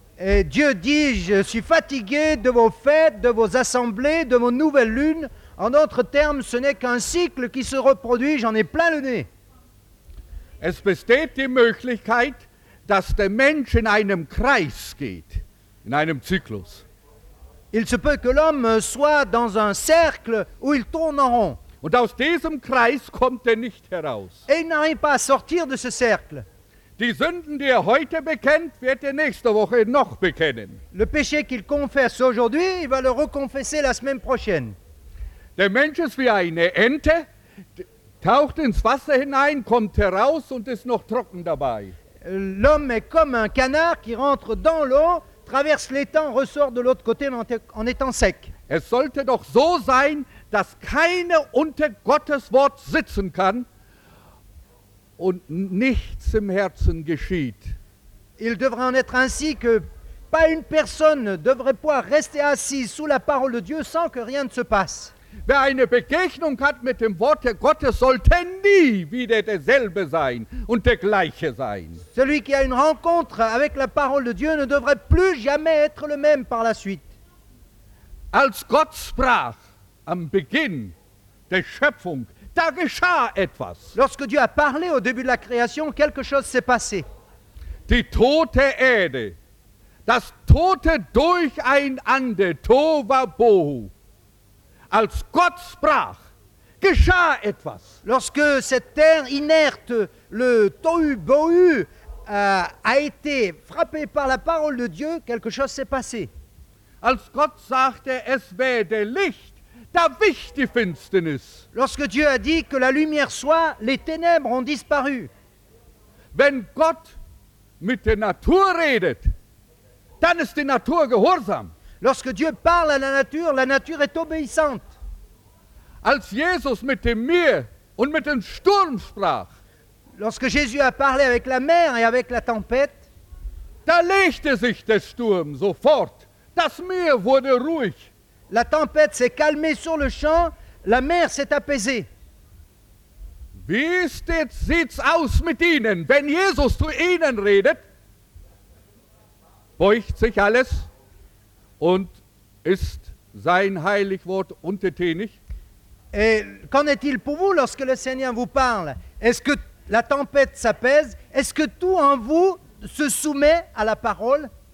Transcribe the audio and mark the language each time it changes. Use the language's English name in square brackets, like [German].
[French] Et Dieu dit, je suis fatigué de vos fêtes, de vos assemblées, de vos nouvelles lunes. En d'autres termes, ce n'est qu'un cycle qui se reproduit, j'en ai plein le nez. [German] Es besteht die Möglichkeit, dass der Mensch in einem Kreis geht, in einem Zyklus. [French] Il se peut que l'homme soit dans un cercle où il tourne en rond. [German] Und aus diesem Kreis kommt er nicht heraus. [French] Et il n'arrive pas à sortir de ce cercle. [German] Die Sünden, die er heute bekennt, wird er nächste Woche noch bekennen. [French] Le péché qu'il confesse aujourd'hui, il va le reconfesser la semaine prochaine. [German] Der Mensch ist wie eine Ente, taucht ins Wasser hinein, kommt heraus und ist noch trocken dabei. [French] L'homme est comme un canard qui rentre dans l'eau, traverse l'étang, ressort de l'autre côté en étant sec. [German] Es sollte doch so sein, dass keine unter Gottes Wort sitzen kann und nichts im Herzen geschieht. [French] Il devrait en être ainsi que pas une personne devrait pouvoir rester assise sous la parole de Dieu sans que rien ne se passe. [German] Wer eine Begegnung hat mit dem Wort Gottes, sollte nie wieder derselbe sein und der gleiche sein. [French] Celui qui a une rencontre avec la parole de Dieu ne devrait plus jamais être le même par la suite. [German] Als Gott sprach am Beginn der Schöpfung, da geschah etwas. [French] Lorsque Dieu a parlé au début de la création, quelque chose s'est passé. [German] Die tote Erde, das tote Durcheinander, Tohuwabohu. Als Gott sprach, geschah etwas. [French] Lorsque cette terre inerte, le Tohuwabohu, a été frappé par la parole de Dieu, quelque chose s'est passé. [German] Als Gott sagte, es werde Licht, da wich die Finsternis. [French] Lorsque Dieu a dit que la lumière soit, les ténèbres ont disparu. [German] Wenn Gott mit der Natur redet, dann ist die Natur gehorsam. [French] Lorsque Dieu parle à la nature est obéissante. [German] Als Jesus mit dem Meer und mit dem Sturm sprach, [French] lorsque Jésus a parlé avec la mer et avec la tempête, [German] da legte sich der Sturm sofort. Das Meer wurde ruhig. [French] La tempête s'est calmée sur le champ, la mer s'est apaisée. [German] Wie sieht's aus mit Ihnen, wenn Jesus zu Ihnen redet? Beugt sich alles? Und ist sein Heiligwort untertänig? [French] Et qu'en est-il pour vous lorsque le Seigneur vous parle? Est-ce que la tempête s'apaise? Est-ce que tout en vous se soumet à la parole?